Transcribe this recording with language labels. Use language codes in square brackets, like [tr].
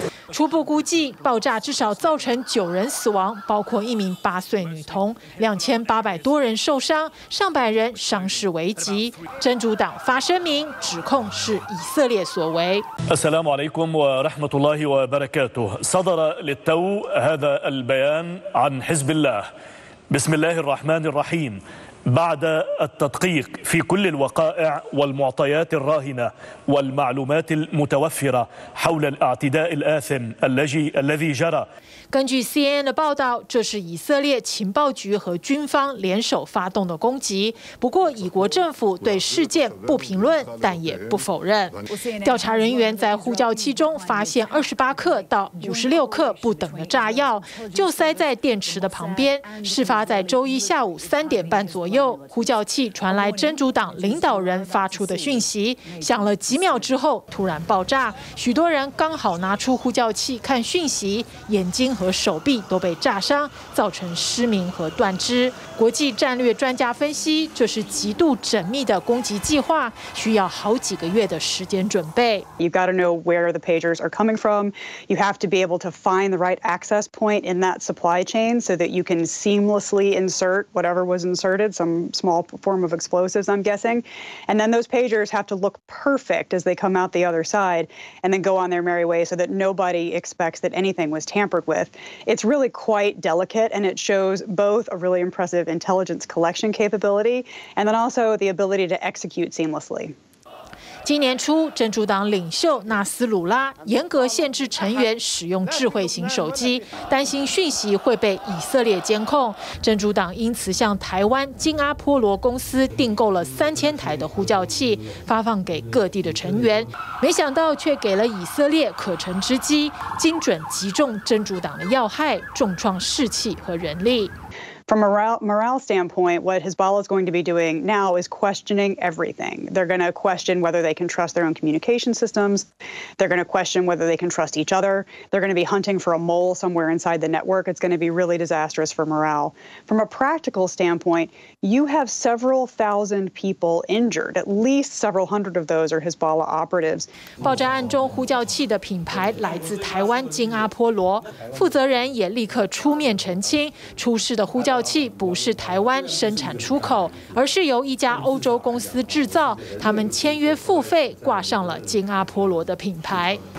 [zh] 初步估计，爆炸至少造成9人死亡，包括1名8岁女童，2800多人受伤，上百人伤势危急。真主党发声明指控是以色列所为。 [ar] السلام عليكم ورحمة الله وبركاته. صدر للتو هذا البيان عن حزب الله. بسم الله الرحمن الرحيم. بعد التدقيق في كل الوقائع والمعطيات الراهنة والمعلومات المتوفرة حول الاعتداء الآثم الذي جرى [zh] 根据 CNN 的报道，这是以色列情报局和军方联手发动的攻击。不过，以国政府对事件不评论，但也不否认。调查人员在呼叫器中发现28克到56克不等的炸药，就塞在电池的旁边。事发在周一下午3点半左右。右，呼叫器传来真主党领导人发出的讯息，响了几秒之后突然爆炸，许多人刚好拿出呼叫器看讯息，眼睛和手臂都被炸伤，造成失明和断肢。国际战略专家分析，这是极度缜密的攻击计划，需要好几个月的时间准备。 [en] You've got to know where the pagers are coming from. You have to be able to find the right access point in that supply chain so that you can seamlessly insert whatever was inserted, some small form of explosives, I'm guessing. And then those pagers have to look perfect as they come out the other side and then go on their merry way so that nobody expects that anything was tampered with. It's really quite delicate, and it shows both a really impressive intelligence collection capability and then also the ability to execute seamlessly. [zh] 今年初，真主党领袖纳斯鲁拉严格限制成员使用智慧型手机，担心讯息会被以色列监控。真主党因此向台湾金阿波罗公司订购了3000台的呼叫器，发放给各地的成员。没想到却给了以色列可乘之机，精准击中真主党的要害，重创士气和人力。 [en] From a morale standpoint, what Hezbollah is going to be doing now is questioning everything. They're going to question whether they can trust their own communication systems. They're going to question whether they can trust each other. They're going to be hunting for a mole somewhere inside the network. It's going to be really disastrous for morale. From a practical standpoint, you have several thousand people injured. At least several hundred of those are Hezbollah operatives. [zh] 爆炸案中，呼叫器的品牌来自台湾金阿波罗，负责人也立刻出面澄清，出事的呼叫器不是台湾生产出口，而是由一家欧洲公司制造，他们签约付费挂上了金阿波罗的品牌。